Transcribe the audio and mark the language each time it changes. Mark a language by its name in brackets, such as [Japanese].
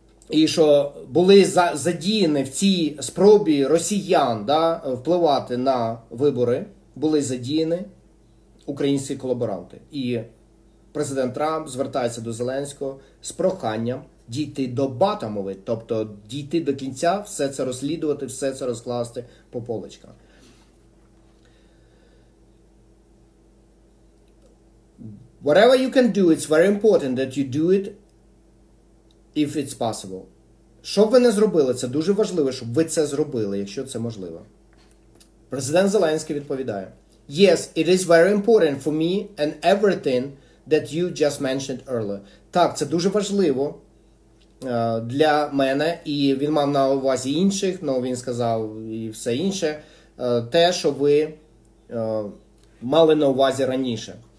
[Ukrainian] І що були задіяні в цій спробі росіян, да, впливати на вибори, були задіяні українські колаборанти. І президент Трамп звертається до Зеленського з проханням дійти до батамови, тобто дійти до кінця, все це розслідувати, все це розкласти по полочках. [English] Whatever you can do, it's very important that you do it if it's possible. [Ukrainian] Що б ви не зробили, це дуже важливо, щоб ви це зробили, якщо це можливо. Президент Зеленський відповідає: [English] Yes, it is very important for me and everything that you just mentioned earlier. [Ukrainian] Так, це дуже важливо для мене, і він мав на увазі інших, але він сказав і все інше, те, що ви мали на увазі раніше.